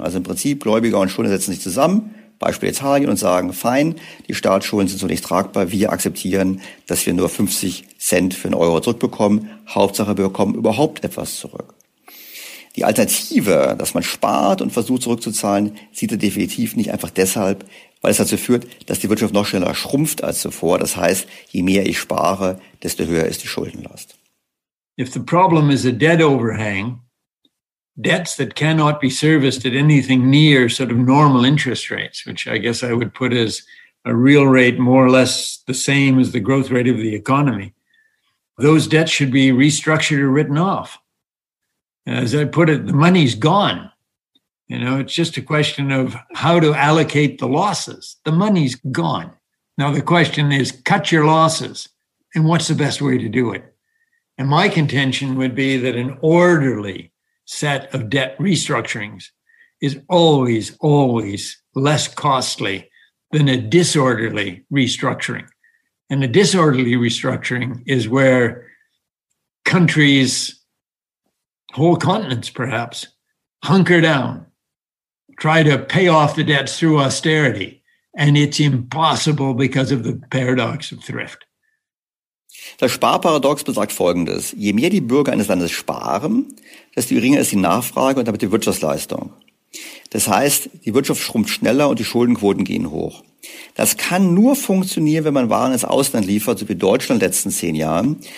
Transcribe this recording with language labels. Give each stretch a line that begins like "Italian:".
German: Also im Prinzip, Gläubiger und Schuldner setzen sich zusammen, Beispiel Italien, und sagen, fein, die Staatsschulden sind so nicht tragbar, wir akzeptieren, dass wir nur 50 Cent für einen Euro zurückbekommen, Hauptsache wir bekommen überhaupt etwas zurück. Die Alternative, dass man spart und versucht zurückzuzahlen, sieht er definitiv nicht, einfach deshalb, weil es dazu führt, dass die Wirtschaft noch schneller schrumpft als zuvor. Das heißt, je mehr ich spare, desto höher ist die Schuldenlast.
English: If the problem is a debt overhang, debts that cannot be serviced at anything near sort of normal interest rates, which I guess I would put as a real rate more or less the same as the growth rate of the economy, those debts should be restructured or written off. As I put it, the money's gone. You know, it's just a question of how to allocate the losses. The money's gone. Now the question is, cut your losses. And what's the best way to do it? And my contention would be that an orderly set of debt restructurings is always, always less costly than a disorderly restructuring. And a disorderly restructuring is where countries, whole continents perhaps, hunker down, try to pay off the debts through austerity. And it's impossible because of the paradox of thrift.
German: Das Sparparadox besagt Folgendes. Je mehr die Bürger eines Landes sparen, desto geringer ist die Nachfrage und damit die Wirtschaftsleistung. Das heißt, die Wirtschaft schrumpft schneller und die Schuldenquoten gehen hoch. Das kann nur funktionieren, wenn man Waren ins Ausland liefert, so wie Deutschland in den letzten 10 Jahren.